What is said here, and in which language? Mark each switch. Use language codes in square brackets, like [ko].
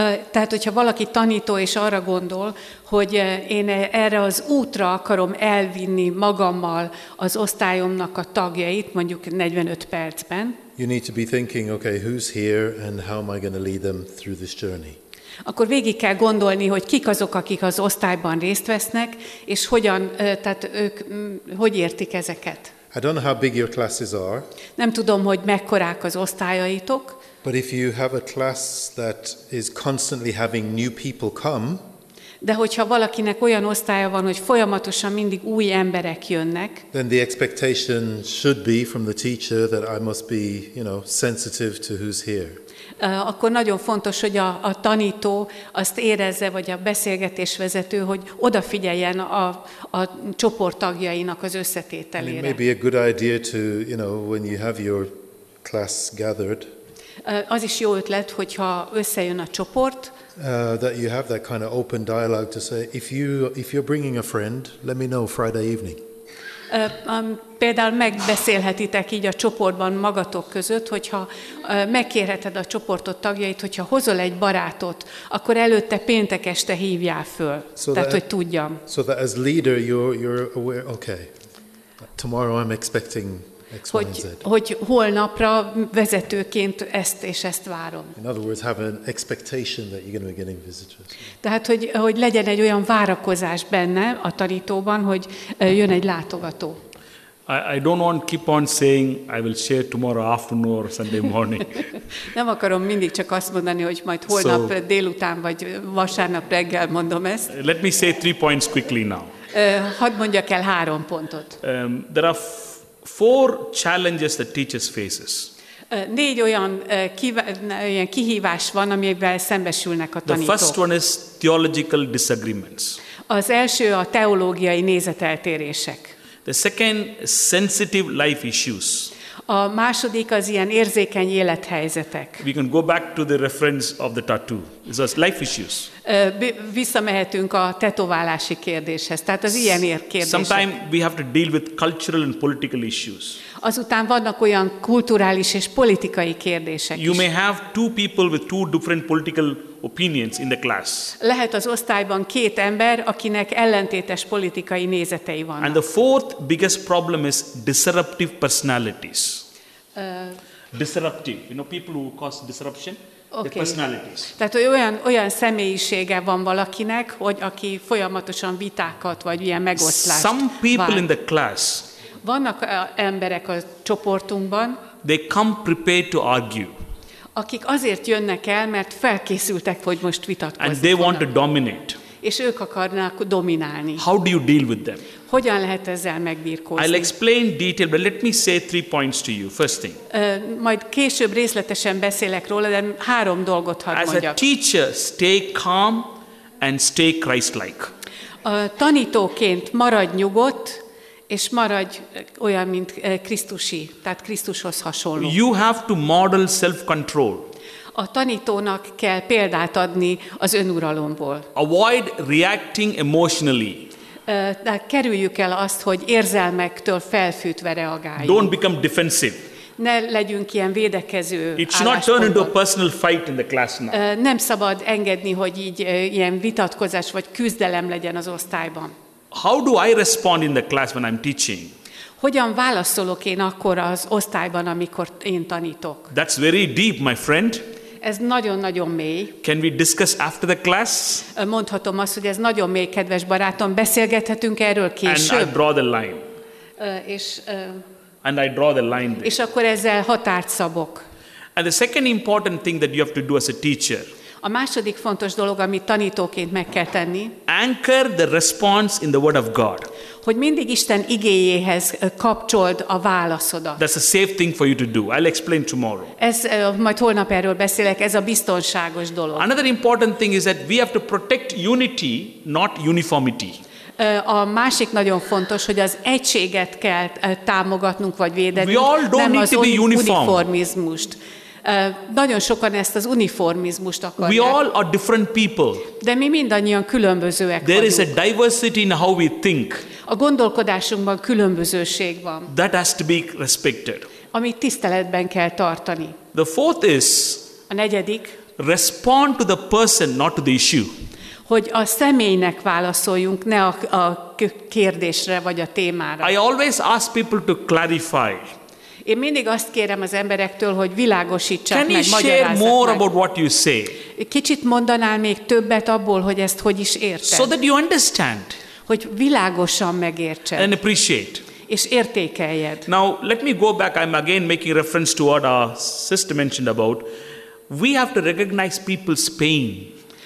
[hu] Tehát hogyha valaki tanító és arra gondol, hogy én erre az útra akarom elvinni magammal az osztályomnak a tagjait mondjuk 45 percben. [en] You need to be thinking, okay, who's here and how am I going to lead them through this journey? [hu] Akkor végig kell gondolni, hogy kik azok, akik az osztályban részt vesznek, és hogyan, tehát ők hogy értik ezeket. [en] I don't know how big your classes are. [hu] Nem tudom, hogy mekkorák az osztályaitok. [en] But if you have a class that is constantly having new people come. [hu] De hogyha valakinek olyan osztálya van, hogy folyamatosan mindig új emberek jönnek, [en] then the expectation should be from the teacher that I must be, you know, sensitive to who's here. [hu] Akkor nagyon fontos, hogy a tanító azt érezze, vagy a beszélgetésvezető, hogy odafigyeljen a csoport tagjainak az összetételére. [en] And it may be a good idea to, you know, when you have your class gathered. [hu] Az is jó ötlet, hogyha összejön a csoport. [en] That you have that kind of open dialogue to say, if you're bringing a friend, let me know Friday evening. [hu] Például megbeszélhetitek így a csoportban magatok között, hogyha megkérheted a csoportot tagjait, hogyha hozol egy barátot, akkor előtte péntek este hívjál föl, so tehát, hogy tudjam. [en] So that as leader you're aware, okay, tomorrow I'm expecting X, [hu] hogy, [en] Y, Z. [hu] Hogy holnapra vezetőként ezt és ezt várom. [en] In other words, have an expectation that you're going to be getting visitors. [hu] Tehát, hogy legyen egy olyan várakozás benne a tanítóban, hogy jön egy látogató. [en] I don't want keep on saying I will share tomorrow afternoon or Sunday morning. [hu] Nem akarom mindig csak azt mondani, hogy majd holnap délután vagy vasárnap reggel mondom ezt. [en] Let me say three points quickly now. [hu] Hadd mondjak el három pontot. [en] There are four challenges that teachers faces. [hu] Négy olyan kihívás van, amivel szembesülnek a tanítók. [en] The first one is theological disagreements. [hu] Az első a teológiai nézeteltérések. [en] The second, sensitive life issues. [hu] A második az ilyen érzékeny élethelyzetek. [en] We can go back to the reference of the tattoo. This is life issues. [hu] Visszamehetünk a tetoválási kérdéshez. Tehát az ilyen kérdések. [en] Sometimes we have to deal with cultural and political issues. [hu] Azután vannak olyan kulturális és politikai kérdések. [en] You may have two people with two different political opinions in the class. [hu] Lehet az osztályban két ember, akinek ellentétes politikai nézetei vannak. [en] And the fourth biggest problem is disruptive personalities. Disruptive, you know, people who cause disruption. Okay. [hu] Tehát olyan személyisége van valakinek, hogy aki folyamatosan vitákat vagy ilyen megoszlást. [en] Some people in the class. [hu] Vannak emberek a csoportunkban. [en] They come prepared to argue. [hu] Akik azért jönnek el, mert felkészültek, hogy most vitatkoznak. [en] And they want to dominate. [hu] És ők akarnak dominálni. [en] How do you deal with them? [hu] Hogyan lehet ezzel megbírkozni? [en] I'll explain detail, but let me say three points to you. First thing. [hu] Majd később részletesen beszélek róla, de három dolgot hadd mondjak. [en] As a teacher, stay calm and stay Christ-like. [hu] Tanítóként maradj nyugodt, és maradj olyan, mint Krisztusi, tehát Krisztushoz hasonló. [en] You have to model self-control. [hu] A tanítónak kell példát adni az önuralomból. [en] Avoid reacting emotionally. [hu] De kerüljük el azt, hogy érzelmektől felfűtve reagáljunk. [en] Don't become defensive. [hu] Ne legyünk ilyen védekező [en] It should not turn into a personal fight in the class now. [hu] Nem szabad engedni, hogy így ilyen vitatkozás vagy küzdelem legyen az osztályban. [en] How do I respond in the class when I'm teaching? [hu] Hogyan válaszolok én akkor az osztályban, amikor én tanítok? [en] That's very deep, my friend. [hu] Ez nagyon-nagyon mély. [en] Can we discuss after the class? [hu] Mondhatom azt, hogy ez nagyon mély, kedves barátom. Beszélgethetünk erről később. [en] And I draw the line. And I draw the line there. [hu] És akkor ezzel határt szabok. [en] And the second important thing that you have to do as a teacher. [hu] A második fontos dolog, amit tanítóként meg kell tenni. [en] Anchor the response in the word of God. [hu] Hogy mindig Isten igéjéhez kapcsold a válaszodat. [en] That's a safe thing for you to do. I'll explain tomorrow. [hu] Ez majd holnap erről beszélek, ez a biztonságos dolog. [en] Another important thing is that we have to protect unity, not uniformity. [hu] A másik nagyon fontos, hogy az egységet kell támogatnunk vagy védenünk, [en] we all don't [hu] nem need az [en] to be uniform. [hu] Uniformizmust. Nagyon sokan ezt az uniformizmust akarják. [en] We all are different people. [hu] De mi mindannyian különbözőek [en] There [hu] vagyunk. [en] There is a diversity in how we think. [hu] A gondolkodásunkban különbözőség van. [en] That has to be respected. [hu] Amit tiszteletben kell tartani. [en] The fourth is. [hu] A negyedik. [en] Respond to the person, not to the issue. [hu] Hogy a személynek válaszoljunk, ne a kérdésre vagy a témára. [en] I always ask people to clarify. [hu] Én mindig azt kérem az emberektől, hogy világosítsák [en] Can [hu] meg, magyarázzák meg. [en] Can you more about what you say? [hu] Kicsit mondanál még többet abból, hogy ezt hogy is érted. [en] So that you understand. [hu] Hogy világosan megértsed. [en] And appreciate. [hu] És értékeljed. [en] Now, let me go back. I'm again making reference to what our sister mentioned about. We have to recognize people's pain.